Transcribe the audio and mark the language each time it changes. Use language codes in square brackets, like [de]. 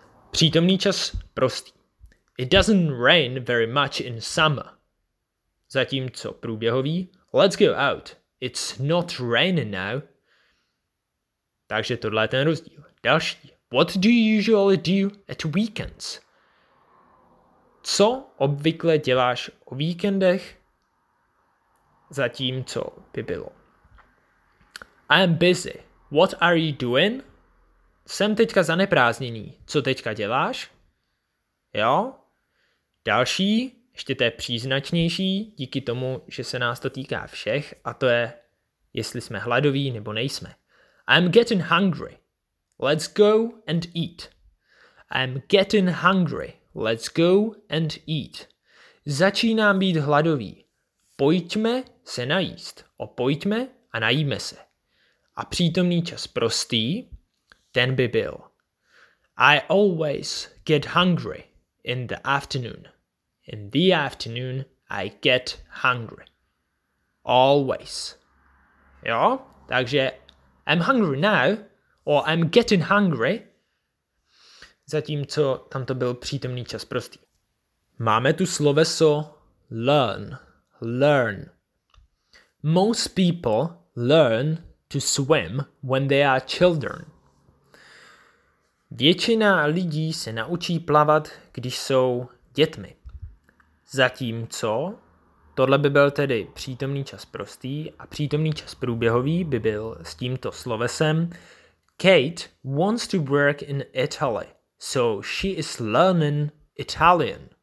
[cs] Přítomný čas prostý. [en] It doesn't rain very much in summer. [cs] Zatímco průběhový, [en] let's go out, it's not raining now. [cs] Takže tohle je ten rozdíl. Další, [en] what do you usually do at weekends? [cs] Co obvykle děláš o víkendech? Zatímco by bylo. [en] I am busy, what are you doing? [cs] Jsem teďka zaneprázdněný, co teďka děláš? Jo? Další, Ještě to je příznačnější díky tomu, že se nás to týká všech, a to je, jestli jsme hladoví nebo nejsme. [en] I'm getting hungry. Let's go and eat. I'm getting hungry. Let's go and eat. [cs] Začínám být hladový. Pojďme se najíst. Opojďme a najíme se. A přítomný čas prostý, ten by byl. [en] I always get hungry in the afternoon. In the afternoon, I get hungry. Always. Jo? [cs] Takže, [en] I'm hungry now, or I'm getting hungry. [cs] Zatímco tam to byl přítomný čas prostý. Máme tu sloveso learn. Learn. [en] Most people learn to swim when they are children. [cs] Většina lidí se naučí plavat, když jsou dětmi. Zatímco, tohle by byl tedy přítomný čas prostý a přítomný čas průběhový by byl s tímto slovesem. [en] Kate wants to work in Italy, so she is learning Italian.